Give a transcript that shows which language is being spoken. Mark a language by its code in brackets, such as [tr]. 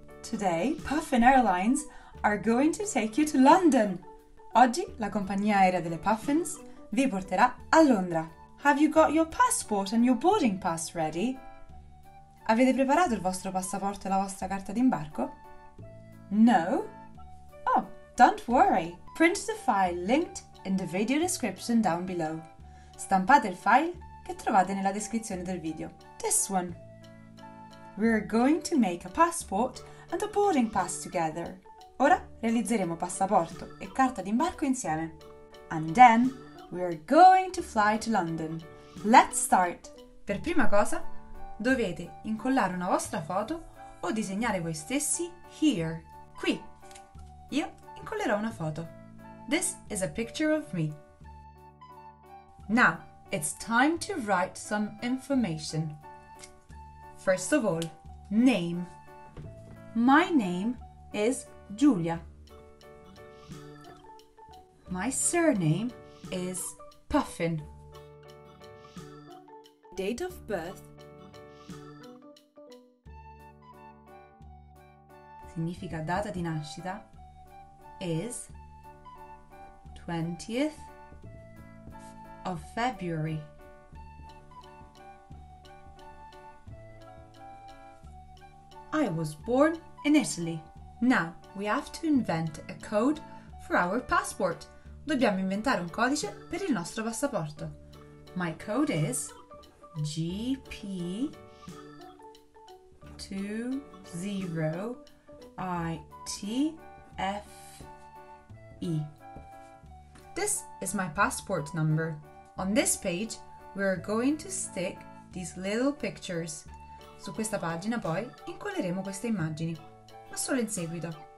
[en] Today, Puffin Airlines are going to take you to London! [it] Oggi, la compagnia aerea delle Puffins vi porterà a Londra! [en] Have you got your passport and your boarding pass ready? [it] Avete preparato il vostro passaporto e la vostra carta d'imbarco? [en] No? Oh, don't worry! Print the file linked in the video description down below. [it] Stampate il file che trovate nella descrizione del video. [en] This one. We're going to make a passport and a boarding pass together. [it] Ora realizzeremo passaporto e carta d'imbarco insieme. [en] And then we're going to fly to London. Let's start. [it] Per prima cosa dovete incollare una vostra foto o disegnare voi stessi [en] here. [it] Qui. Io incollerò una foto. [en] This is a picture of me. Now it's time to write some information. First of all, name. My name is Giulia. My surname is Puffin. Date of birth. [it] Significa data di nascita. [en] Is 20th of February. I was born in Italy. Now, we have to invent a code for our passport. [it] Dobbiamo inventare un codice per il nostro passaporto. [en] My code is GP20ITFE. This is my passport number. On this page, we are going to stick these little pictures. [it] Su questa pagina poi incolleremo queste immagini, ma solo in seguito.